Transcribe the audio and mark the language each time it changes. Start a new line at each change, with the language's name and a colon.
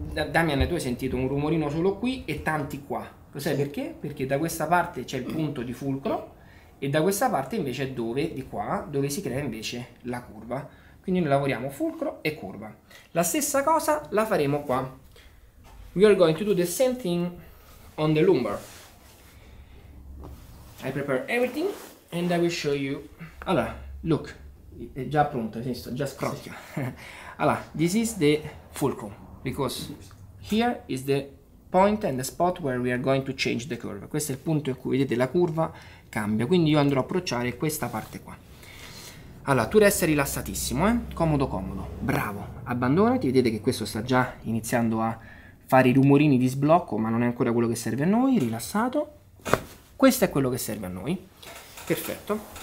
Italian: Damian, tu hai sentito un rumorino solo qui e tanti qua. Lo sai perché? Perché da questa parte c'è il punto di fulcro e da questa parte invece è dove, di qua, dove si crea invece la curva. Quindi noi lavoriamo fulcro e curva. La stessa cosa la faremo qua.
English: We are going to do the same thing on the lumbar. I prepare everything and I will show you.
Italian: Allora,
English: look,
Italian: è già pronto, visto? Già scrocchio. Sì. Allora,
English: this is the fulcrum because here is the point and the spot where we are going to change the curve.
Italian: Questo è il punto in cui vedete la curva cambia, quindi io andrò a approcciare questa parte qua. Allora, tu resta rilassatissimo, comodo comodo, bravo, abbandonati, vedete che questo sta già iniziando a fare i rumorini di sblocco, ma non è ancora quello che serve a noi, rilassato, questo è quello che serve a noi, perfetto.